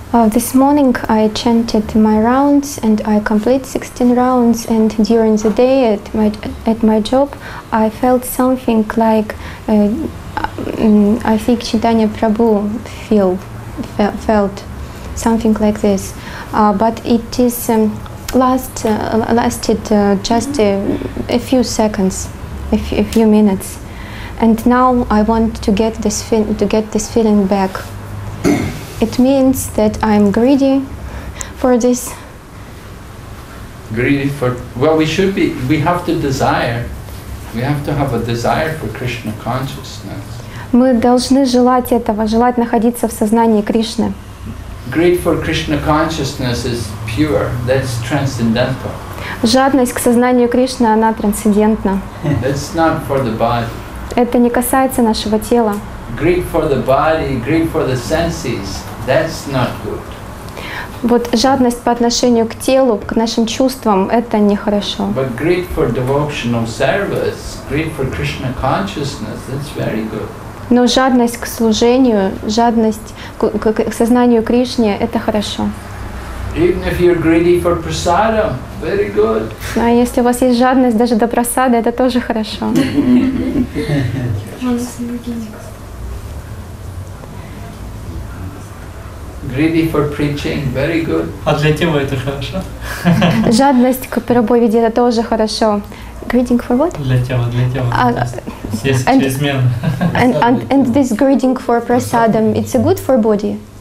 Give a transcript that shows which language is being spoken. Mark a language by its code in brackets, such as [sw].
[en] This morning I chanted my rounds and I complete 16 rounds, and during the day at my job I felt something like I think Chaitanya Prabhu felt something like this, but it is lasted just a few seconds, a few minutes. And now I want to get this feeling back. It means that I'm greedy for this. Greedy for, well, we should be, we have to desire. We have to have a desire for Krishna consciousness. [ru] Мы должны желать этого, желать находиться в сознании Кришны. [en] Greed for Krishna consciousness is pure, that's transcendental. [ru] Жадность к сознанию Кришны, она трансцендентна. [en] That's not for the body. [ru] Это не касается нашего тела. [en] Greed for the body, greed for the senses, that's not good. [ru] Вот жадность по отношению к телу, к нашим чувствам, это нехорошо. [en] But greed for devotional service, greed for Krishna consciousness, that's very good. [ru] Но жадность к служению, жадность к сознанию Кришне, это хорошо. [en] Even if you're greedy for prasadam, very good. [ru] А если у вас есть жадность даже до просады, это тоже хорошо. [en] Greedy for preaching, very good. [ru] А для тебя это хорошо? Жадность к проповеди, это тоже хорошо. [en] Greeding for what? [ru] Для тела. Есть чрезмерно. [en] And this greeding for prasadam, it's a good for body?